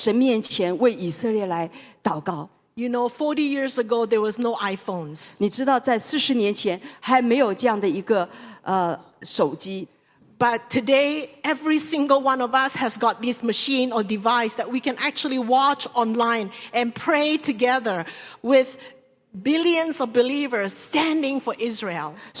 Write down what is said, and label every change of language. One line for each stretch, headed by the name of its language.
Chinese: 他看到音乐还有演唱的人，他们在神面前为以色列来祷告。
English: You know, 40 years ago, there was no iPhones.
Chinese: 你知道，在40年前还没有这样的一个手机。
English: But today, every single one of us has got this machine or device that we can actually watch online and pray together with billions of believers standing for Israel.